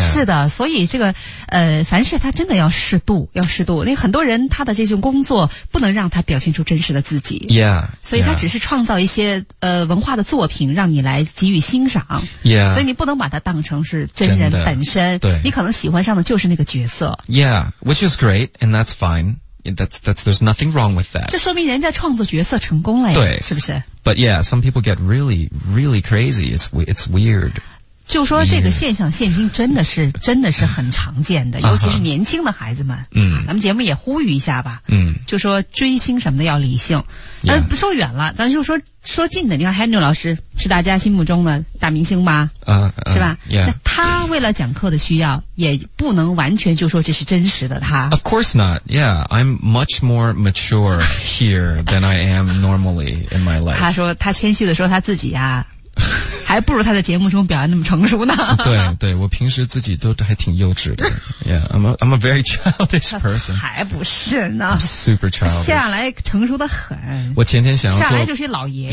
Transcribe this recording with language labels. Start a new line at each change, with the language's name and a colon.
Chinese: 是的所以这个凡事他真的要适度因为很多人他的这种工作不能让他表现出真实的自己
English: yeah. Yeah.
Chinese: 所以他只是创造一些文化的作品让你来给予欣赏、
English: yeah.
Chinese: 所以你不能把它当成是真人本身对你可能喜欢上的就是那个角色
English: yeah which is great and that's fineThat's there's nothing wrong with that.
Chinese: 这说明人家创作角色成功了呀，对，是不是
English: ？But yeah, some people get really, really crazy. It's weird.
Chinese: 就说这个现象，现今真的是真的是很常见的，尤其是年轻的孩子们。嗯、uh-huh. ，咱们节目也呼吁一下吧。嗯，就说追星什么的要理性。
English: Yeah.
Chinese: 不说远了，咱就说近的。你看 Henry 老师是大家心目中的大明星吧？是吧
English: ？Yeah.
Chinese: 那他为了讲课的需要，也不能完全就说这是真实的他。
English: Of course not. Yeah, I'm much more mature here than I am normally in my life.
Chinese: 他说他谦虚的说他自己啊，还不如他在节目中表现那么成熟呢。对，我平时自己都还挺幼稚的。
English: Yeah, I'm a very childish person.
Chinese: 还不是呢。
English: I'm、super childish.
Chinese: 下来成熟的很。我前天想要做下来就是老爷爷，